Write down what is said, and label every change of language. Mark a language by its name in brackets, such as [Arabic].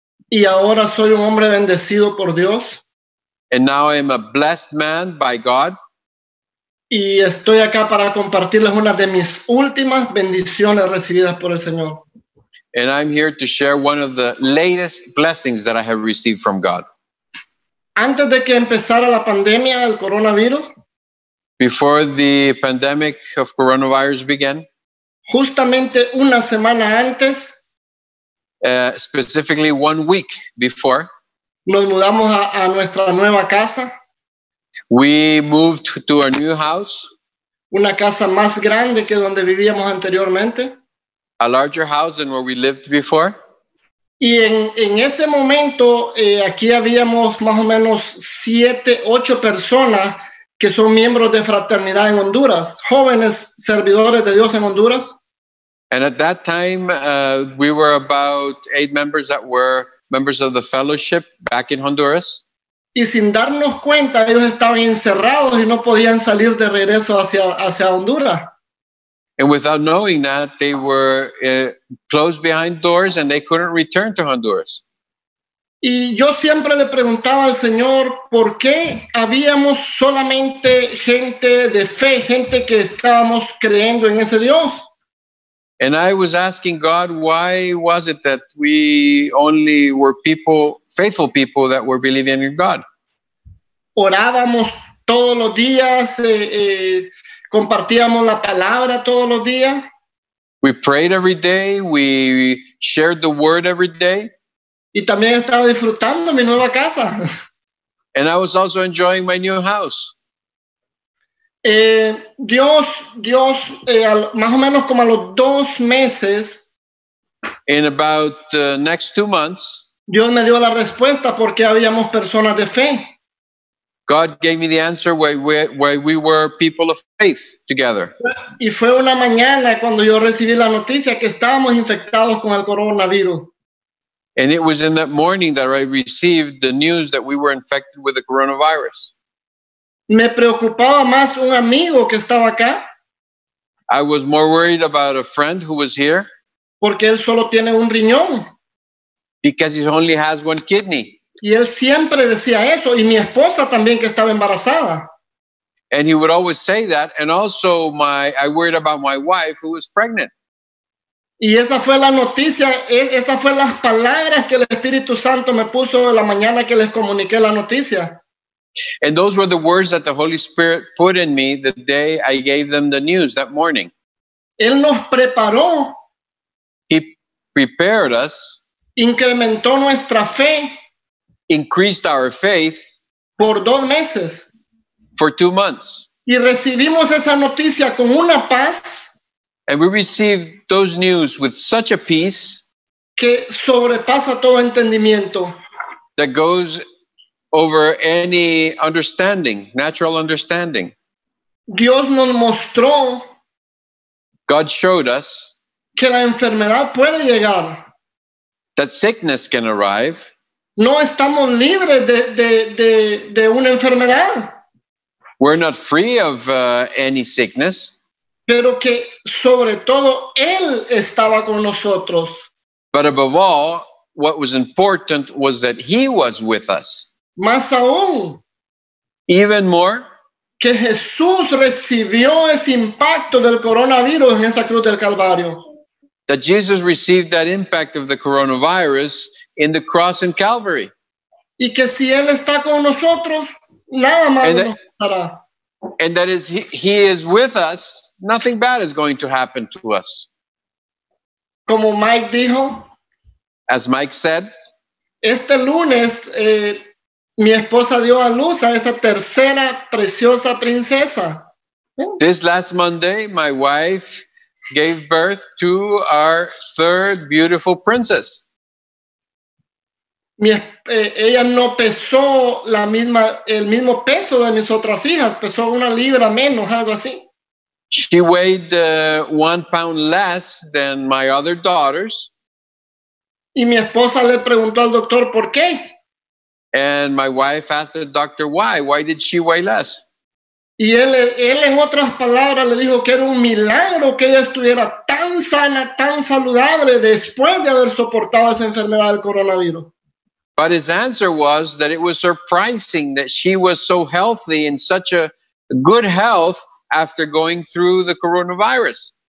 [Spanish] Y ahora soy un hombre bendecido por Dios. [English] And now I am a blessed man by God. [Spanish] Y estoy acá para compartirles una de mis últimas bendiciones recibidas por el Señor. [English] And I'm here to share one of the latest blessings that I have received from God. [Spanish] Antes de que empezara la pandemia, el coronavirus. [English] Before the pandemic of coronavirus began. [Spanish] Justamente una semana antes. [English] Specifically 1 week before. [Spanish] Nos mudamos a nuestra nueva casa. [English] We moved to our new house. [Spanish] Una casa más grande que donde vivíamos anteriormente. [English] A larger house than where we lived before. [Spanish] Y en ese momento, aquí habíamos más o menos 7-8 personas que son miembros de fraternidad en Honduras, jóvenes servidores de Dios en Honduras. [English] And at that time, we were about 8 members that were members of the fellowship back in Honduras. [Spanish] Y sin darnos cuenta, ellos estaban encerrados y no podían salir de regreso hacia Honduras. [English] And without knowing that, they were closed behind doors and they couldn't return to Honduras. [Spanish] Y yo siempre le preguntaba al Señor, ¿por qué habíamos solamente gente de fe, gente que estábamos creyendo en ese Dios? [English] And I was asking God, why was it that we only were people, faithful people that were believing in God? [Spanish] Orábamos todos los días, compartíamos la palabra todos los días. [English] We prayed every day, we shared the word every day. [Spanish] Y también estaba disfrutando mi nueva casa. [English] And I was also enjoying my new house. [Spanish] Dios, más o menos como a los 2 meses. [English] In about the next 2 months. [Spanish] Dios me dio la respuesta porque habíamos personas de fe. [English] God gave me the answer why we were people of faith together. [Spanish] Y fue una mañana cuando yo recibí la noticia que estábamos infectados con el coronavirus. [English] And it was in that morning that I received the news that we were infected with the coronavirus. [Spanish] Me preocupaba más un amigo que estaba acá. [English] I was more worried about a friend who was here. [Spanish] Porque él solo tiene un riñón. [English] Because he only has one kidney. [Spanish] Y él siempre decía eso. Y mi esposa también que estaba embarazada. [English] And he would always say that. And also I worried about my wife who was pregnant. [Spanish] Y esa fue la noticia. Esas fueron las palabras que el Espíritu Santo me puso en la mañana que les comuniqué la noticia. [English] And those were the words that the Holy Spirit put in me the day I gave them the news that morning. [Spanish] Él nos preparó. [English] He prepared us. [Spanish] Incrementó nuestra fe. [English] Increased our faith. [Spanish] Por 2 meses. [English] For 2 months. [Spanish] Y recibimos esa noticia con una paz. [English] And we received those news with such a peace. [Spanish] Que sobrepasa todo entendimiento. [English] That goes over any understanding, natural understanding. [Spanish] Dios nos mostró, [English] God showed us, [Spanish] que la enfermedad puede llegar, [English] that sickness can arrive. [Spanish] No estamos libres de una enfermedad. [English] We're not free of any sickness. [Spanish] Pero que sobre todo Él estaba con nosotros. [English] But above all, what was important was that He was with us. [Spanish] Más aún, [English] even more, [Spanish] que Jesús recibió ese impacto del coronavirus en esa cruz del Calvario. [English] That Jesus received that impact of the coronavirus in the cross in Calvary. [Spanish] Y que si Él está con nosotros, nada malo nos pasará. [English] And that is, he is with us, nothing bad is going to happen to us. [Spanish] Como Mike dijo, [English] as Mike said, [Spanish] este lunes, mi esposa dio a luz a esa tercera preciosa princesa. [English] This last Monday, my wife gave birth to our third beautiful princess. [Spanish] Ella no pesó el mismo peso de mis otras hijas, pesó una libra menos, algo así. [English] She weighed 1 pound less than my other daughters. [Spanish] Y mi esposa le preguntó al doctor por qué. [English] And my wife asked the doctor why. Why did she weigh less? [Spanish] Y él en otras palabras le dijo que era un milagro que ella estuviera tan sana, tan saludable después de haber soportado esa enfermedad del coronavirus. [English] But his answer was that it was surprising that she was so healthy in such a good health after going through the coronavirus.